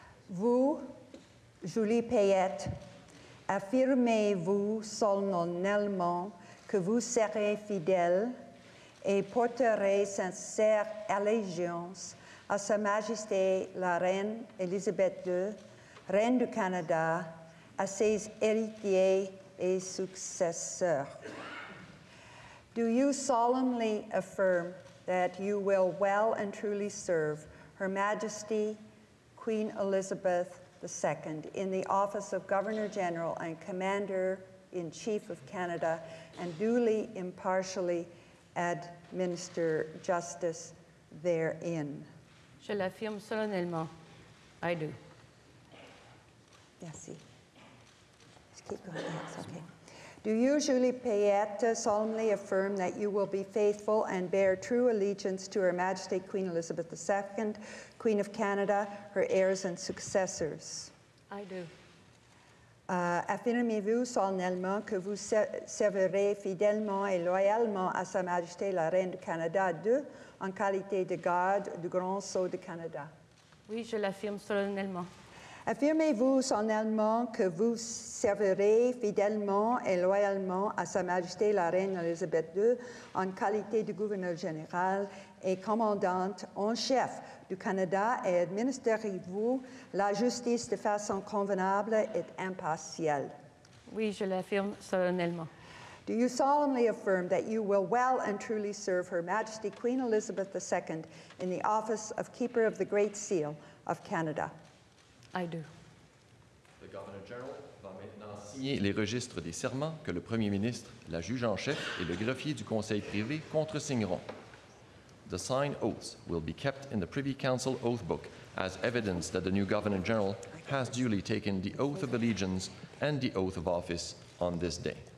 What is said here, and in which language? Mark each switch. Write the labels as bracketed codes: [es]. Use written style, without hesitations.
[fr] Vous, Julie Payette, affirmez-vous solennellement que vous serez fidèle et porterez sincère allégeance à Sa Majesté la Reine Élisabeth II, Reine du Canada, à ses héritiers et successeurs. [en] Do you solemnly affirm that you will well and truly serve Her Majesty Queen Elizabeth II in the office of Governor General and Commander in Chief of Canada and duly impartially administer justice therein? [fr] Je l'affirme solennellement. [en] I do. Merci. Just keep going. That's okay. Do you, Julie Payette, solemnly affirm that you will be faithful and bear true allegiance to Her Majesty Queen Elizabeth II, Queen of Canada, her heirs and successors? I do. [fr] Affirmez-vous solennellement que vous servirez fidèlement et loyalement à Sa Majesté la Reine du Canada II en qualité de garde du Grand Sceau du Canada? Oui, je l'affirme solennellement. Affirmez-vous solennellement que vous servirez fidèlement et loyalement à Sa Majesté la Reine Elisabeth II en qualité de gouverneur général et commandante en chef du Canada et administrerez-vous la justice de façon convenable et impartiale? Oui, je l'affirme solennellement. [en] Do you solemnly affirm that you will well and truly serve Her Majesty Queen Elizabeth II in the office of Keeper of the Great Seal of Canada? I do. [fr] Le Governor General va maintenant signer les registres des serments que le Premier ministre, la juge en chef et le greffier du Conseil privé contresigneront. [en] The signed oaths will be kept in the Privy Council oath book as evidence that the new Governor General has duly taken the oath of allegiance and the oath of office on this day.